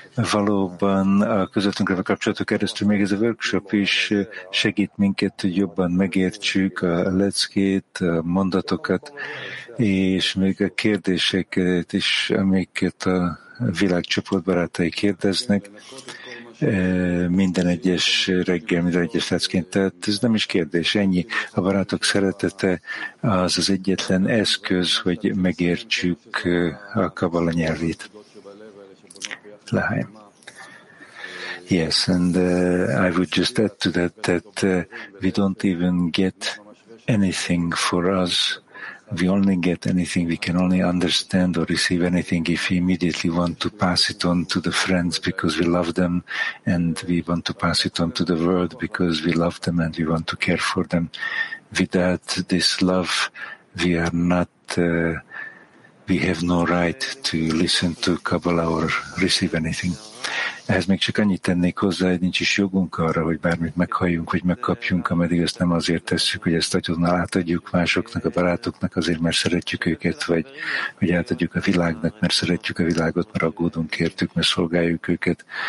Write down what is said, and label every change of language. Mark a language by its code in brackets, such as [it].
[hu] Valóban a közöttünkre kapcsolatok keresztül még ez a workshop is segít minket, hogy jobban megértsük a leckét, a mondatokat, és még a kérdéseket is, amiket a világcsoport barátai kérdeznek. Minden egyes reggel, minden egyes leckén. Tehát ez nem is kérdés, ennyi. A barátok szeretete az az egyetlen eszköz, hogy megértsük a kabala nyelvét. Lehaim. [en] Yes, and I would just add to that, that we don't even get anything for us. We only get anything, we can only understand or receive anything if we immediately want to pass it on to the friends because we love them, and we want to pass it on to the world because we love them and we want to care for them. Without this love, we are not, we have no right to listen to Kabbalah or receive anything. [hu] Ehhez még csak annyit tennék hozzá, hogy nincs is jogunk arra, hogy bármit meghalljunk, vagy megkapjunk, ameddig ezt nem azért tesszük, hogy ezt azonnal átadjuk másoknak, a barátoknak azért, mert szeretjük őket, vagy hogy átadjuk a világnak, mert szeretjük a világot, mert aggódunk értük, mert szolgáljuk őket.